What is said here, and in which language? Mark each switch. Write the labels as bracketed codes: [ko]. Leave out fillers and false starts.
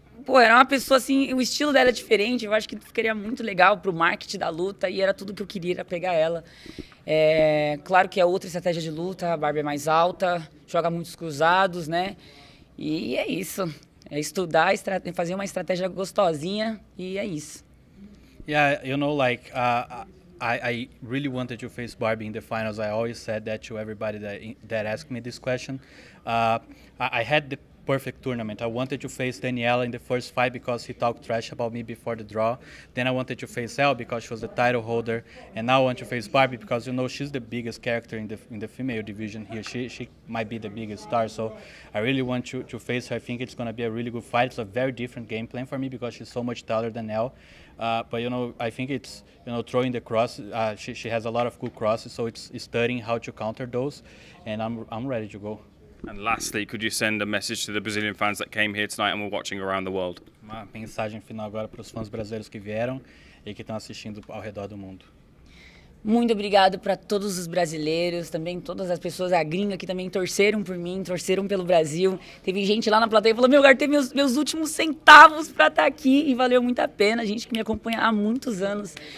[pt] Pô, era uma pessoa assim, o estilo dela é diferente, eu acho que ficaria muito legal pro marketing da luta e era tudo que eu queria, era pegar ela. Claro que é outra estratégia de luta, a Barbie é mais alta, joga muitos cruzados, né? E é isso, é estudar, fazer uma estratégia gostosinha e é isso. [en] Yeah, you know, like, I really wanted to face Barbie in the finals. I always said that to everybody that asked me this question. I had the perfect tournament. I wanted to face Daniela in the first fight because he talked trash about me before the draw. Then I wanted to face Elle because she was the title holder. And now I want to face Barbie because, you know, she's the biggest character in the female division here. She might be the biggest star. So I really want to face her. I think it's going to be a really good fight. It's a very different game plan for me because she's so much taller than Elle. But, you know, I think it's, you know, throwing the cross. She has a lot of good crosses. So it's studying how to counter those. And I'm ready to go. And lastly, could you send a message to the Brazilian fans that came here tonight and were watching around the world? [pt] Uma mensagem final agora para os fãs brasileiros que vieram e que estão assistindo ao redor do mundo. Muito obrigado para todos os brasileiros, também todas as pessoas, a gringa que também torceram por mim, torceram pelo Brasil. Teve gente lá na plateia que falou, meu lugar tem meus últimos centavos para estar aqui e valeu muito a pena, gente que me acompanha há muitos anos.